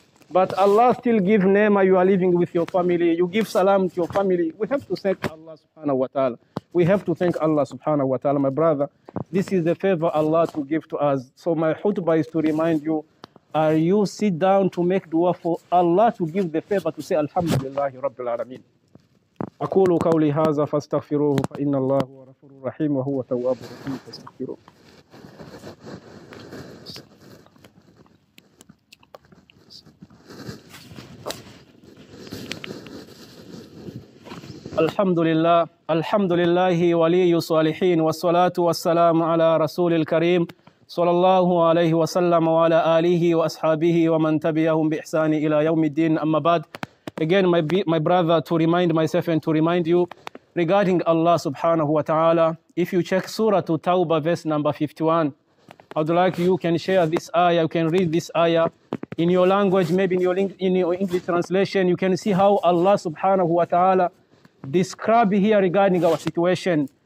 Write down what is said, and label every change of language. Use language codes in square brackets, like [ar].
[en] But Allah still give ni'mah, you are living with your family. You give salam to your family. We have to thank Allah subhanahu wa ta'ala. We have to thank Allah subhanahu wa ta'ala, my brother. This is the favor Allah to give to us. So my khutbah is to remind you, are you sit down to make dua for Allah to give the favor to say, [ar] Alhamdulillah, Rabbil Alameen. أقول قولي هذا فاستغفروه فإن الله غفور رحيم وهو تواب رحيم فاستغفروه. الحمد لله الحمد لله ولي الصالحين والصلاة والسلام على رسول الكريم صلى الله عليه وسلم وعلى آله وأصحابه ومن تبعهم بإحسان إلى يوم الدين أما بعد. [en] Again, my brother, to remind myself and to remind you regarding Allah subhanahu wa ta'ala, if you check Surah to Tawbah, verse number 51, I'd like you can share this ayah, you can read this ayah in your language, maybe in your English translation. You can see how Allah subhanahu wa ta'ala describe here regarding our situation.